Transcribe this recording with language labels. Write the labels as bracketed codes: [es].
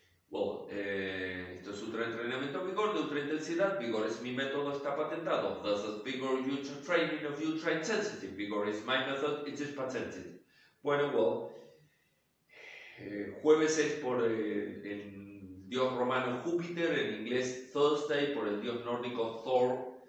[es] Well, esto es ultra entrenamiento vigor de ultra intensidad. Vigor es mi método, está patentado. [en] This is vigor ultra training of ultra intensity. Vigor is my method, it is patented. [es] Bueno, well, jueves es por el dios romano Júpiter, en inglés Thursday por el dios nórdico Thor.